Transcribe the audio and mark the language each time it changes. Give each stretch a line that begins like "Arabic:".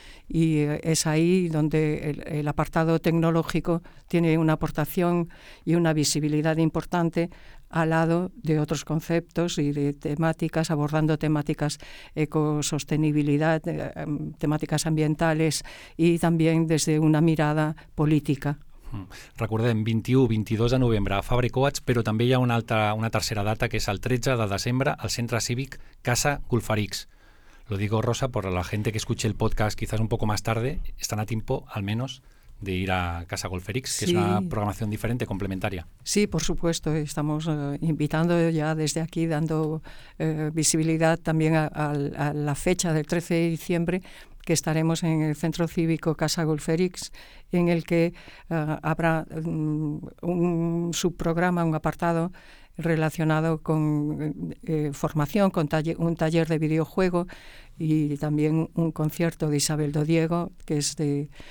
Spanish: Y es ahí donde el apartado tecnológico tiene una aportación y una visibilidad importante al lado de otros conceptos y de temáticas, abordando temáticas ecosostenibilidad, temáticas ambientales y también desde una mirada política.
Catalan: Recordem, 21-22 de novembre a Fabra i Coats, però també hi ha una tercera data, que és el 13 de desembre al Centre Cívic Casa Gulfarix.
Spanish: Lo digo, Rosa, por la gente que escuche el podcast quizás un poco más tarde, están a tiempo, al menos, de ir a Casa Gulfarix, que sí. Es una programación diferente, complementaria. Sí, por supuesto, estamos invitando ya desde aquí, dando visibilidad también a la fecha del 13 de diciembre, que estaremos en el Centro Cívico Casa Gulfarix, en el que habrá un subprograma, un apartado relacionado con formación, con un taller de videojuego y también un concierto de Isabel do Diego, que es de